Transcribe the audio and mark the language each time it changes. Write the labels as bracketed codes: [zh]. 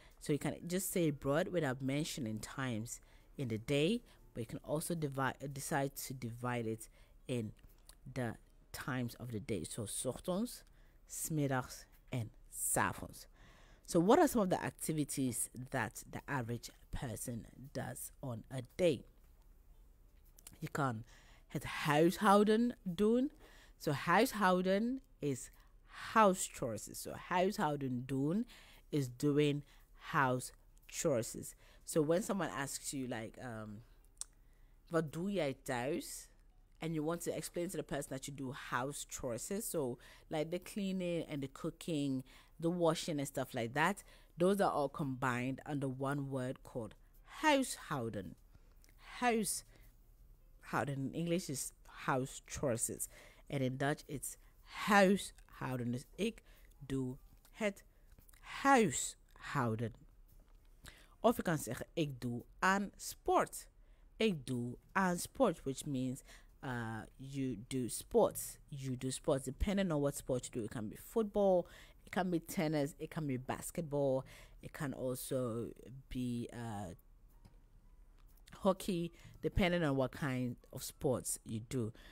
[en] So you can just say broad without mentioning times in the day, but you can also decide to divide it in the times of the day. So, 's ochtends, 's middags, and 's avonds. So, what are some of the activities that the average person does on a day? You can [nl] het huishouden doen. [en] So, huishouden is house chores. So, huishouden doen is doing house chores. So, when someone asks you, like, [nl] wat doe jij thuis? [en] And you want to explain to the person that you do house chores. So, like the cleaning and the cooking, the washing and stuff like that. Those are all combined under one word called huishouden. Huishouden in English is house chores. And in Dutch, it's huishouden. [nl] Dus ik doe het huishouden. Of je kan zeggen, ik doe aan sport. Ik doe aan sport, [en] which means you do sports. You do sports depending on what sport you do. It can be football, it can be tennis, it can be basketball, it can also be hockey, depending on what kind of sports you do.